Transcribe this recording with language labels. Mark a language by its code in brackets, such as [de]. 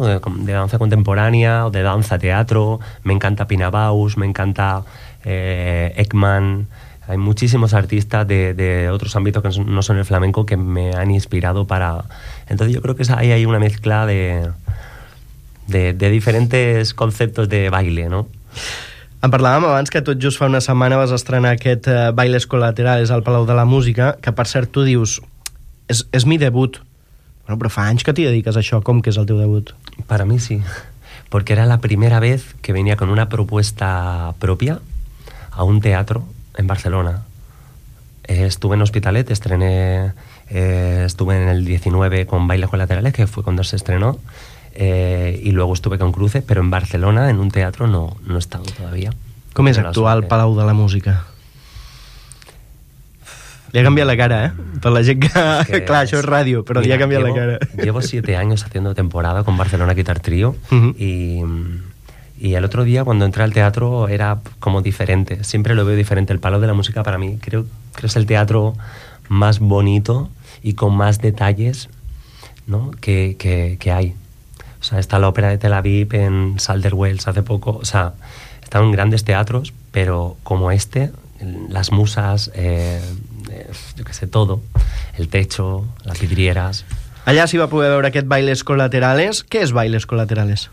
[es] De danza contemporánea o de danza teatro. Me encanta Pina Baus, me encanta Ekman. Hay muchísimos artistas de otros ámbitos que no son el flamenco que me han inspirado para... Entonces yo creo que ahí hay una mezcla de [ca] diferents conceptes [es] de baile, no? [ca] En parlàvem abans que tot just fa una setmana vas estrenar aquest Bailes Colaterales al Palau de la Música, que per cert tu dius, és mi debut. Bueno, però fa anys que t'hi dediques això, com que és el teu debut? [es] Para mí sí, porque era la primera vez que venía con una propuesta propia a un teatro en Barcelona. Estuve en Hospitalet, estrené Estuve en el 19 con Bailes Colaterales, que fue cuando se estrenó, y luego estuve con Cruces, pero en Barcelona, en un teatro, no he estado todavía. [ca] ¿Com és actuar al Palau de la Música? Li ha canviat la cara, per la gent que... Clar, això és ràdio, però li ha canviat la cara. [es] Llevo 7 anys haciendo temporada con Barcelona Guitar Trio, y el otro día cuando entré al teatro era como diferente, siempre lo veo diferente. El Palau de la Música para mí creo es el teatro más bonito y con más detalles, ¿no? que hay. O sea, está la ópera de Tel Aviv en Salder Wells hace poco, o sea, están en grandes teatros, pero como este, las musas, yo qué sé, todo, el techo, las vidrieras... [ca] Allà s'hi va poder veure aquest Bailes Colaterales. Què és Bailes Colaterales?